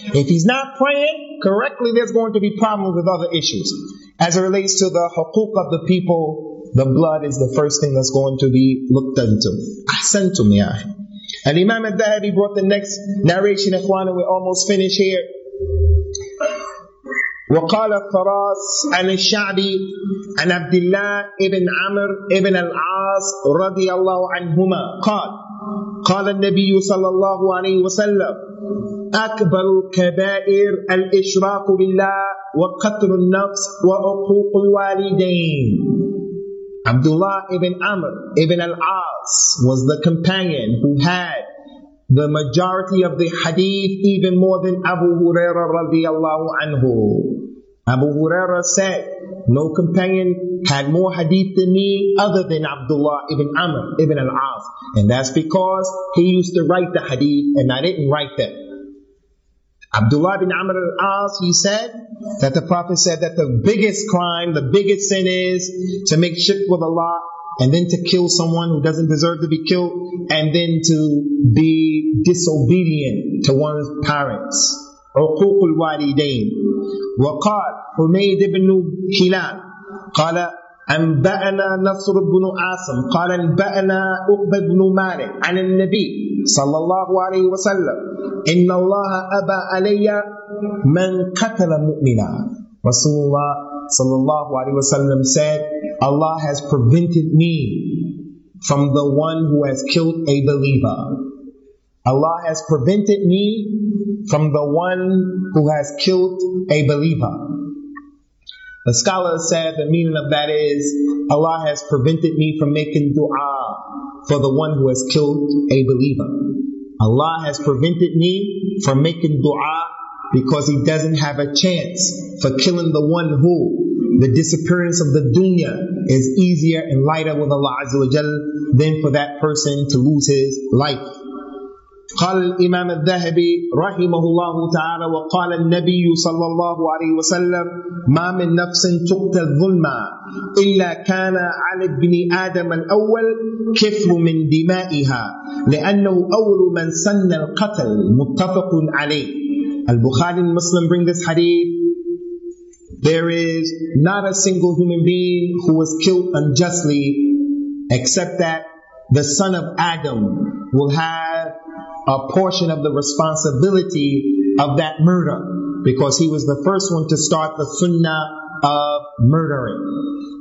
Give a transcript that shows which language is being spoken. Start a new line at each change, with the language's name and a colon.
English: If he's not praying correctly, there's going to be problems with other issues. As it relates to the huquq of the people, the blood is the first thing that's going to be looked into. Ahsantum ya. And Imam al-Dhahabi brought the next narration, ikhwan, and we're almost finished here.
Arabic: وقال فراس عن الشعبي عن عبد الله ابن عمر ابن العاص رضي الله عنهما قال قال النبي صلى الله عليه وسلم أكبر الكبائر الإشراك بالله وقتل النفس وعقوق الوالدين.
English: عبد الله ابن عمر ابن العاص was the companion who had the majority of the hadith, even more than Abu Huraira radiallahu anhu. Abu Huraira said, no companion had more hadith than me other than Abdullah ibn Amr ibn al-As. And that's because he used to write the hadith and I didn't write them. Abdullah ibn Amr al-As, he said that the Prophet said that the biggest crime, the biggest sin is to make shirk with Allah and then to kill someone who doesn't deserve to be killed, and then to be disobedient to one's parents.
Arabic: عقوق الوالدين. وقال حميد بن كلاب قال أنبأنا نصر بن عاصم قال أنبأنا عقبة بن مالك عن النبي صلى الله عليه وسلم إن الله أبى علي من قتل مؤمنا.
English: رسول الله صلى الله عليه وسلم said, Allah has prevented me from the one who has killed a believer. Allah has prevented me from the one who has killed a believer. The scholars said the meaning of that is, Allah has prevented me from making dua for the one who has killed a believer. Allah has prevented me from making dua because he doesn't have a chance for killing the one who the disappearance of the dunya is easier and lighter with Allah Azza wa Jal than for that person to lose his life.
Arabic: قال الإمام الذهبي رحمه الله تعالى وقال النبي صلى الله عليه وسلم ما من نفس تقتل ظلما إلا كان على ابن آدم الأول كفر من دمائها لأنه أول من سن القتل متفق عليه.
English: البخاري المسلم bring this hadith. There is not a single human being who was killed unjustly except that the son of Adam will have a portion of the responsibility of that murder because he was the first one to start the sunnah of murdering.